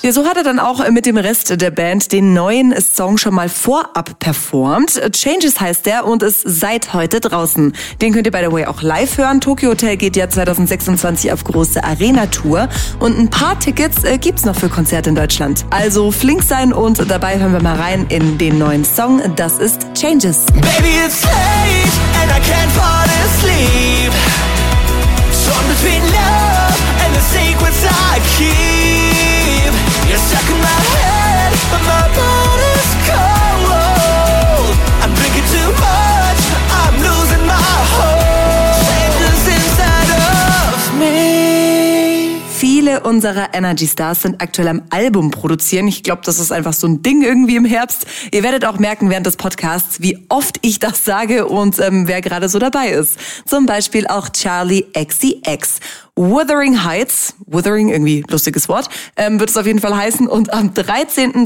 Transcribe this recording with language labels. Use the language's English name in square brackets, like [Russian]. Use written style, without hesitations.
[German] Ja, so hat er dann auch mit dem Rest der Band den neuen Song schon mal vorab performt. Changes heißt der und ist seit heute draußen. Den könnt ihr [English] by the way [German] auch live hören. Tokyo Hotel geht ja 2026 auf große Arena-Tour. Und ein paar Tickets gibt's noch für Konzerte in Deutschland. Also flink sein und dabei hören wir mal rein in den neuen Song. Das ist Changes. [English] Baby, it's late and I can't fall asleep. So I'm between love and the secrets I keep. You're stuck in my head, but my body's cold. I'm drinking too much, I'm losing my hold. Changes inside of me. [German] Viele unserer Energy Stars sind aktuell am Album produzieren. Ich glaube, das ist einfach so ein Ding irgendwie im Herbst. Ihr werdet auch merken während des Podcasts, wie oft ich das sage und wer gerade so dabei ist. Zum Beispiel auch Charlie XCX. Wuthering Heights, Wuthering, irgendwie lustiges Wort, wird es auf jeden Fall heißen und am 13.